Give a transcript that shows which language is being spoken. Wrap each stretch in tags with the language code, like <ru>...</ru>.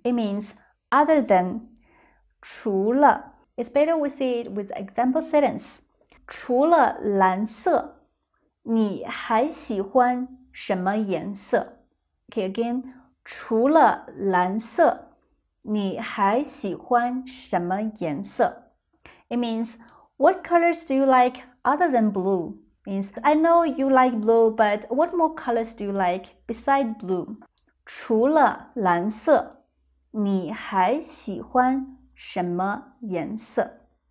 <en>It means,Other than, 除了 It's better we see it with example sentence.</en> <zh>除了蓝色，你还喜欢什么颜色？</zh> <en>Okay, again,</en> <zh>除了蓝色，你还喜欢什么颜色？</zh> <en>It means, what colors do you like other than blue? Means, I know you like blue, but what more colors do you like beside blue?</en> <zh>除了蓝色你还喜欢什么颜色？</zh>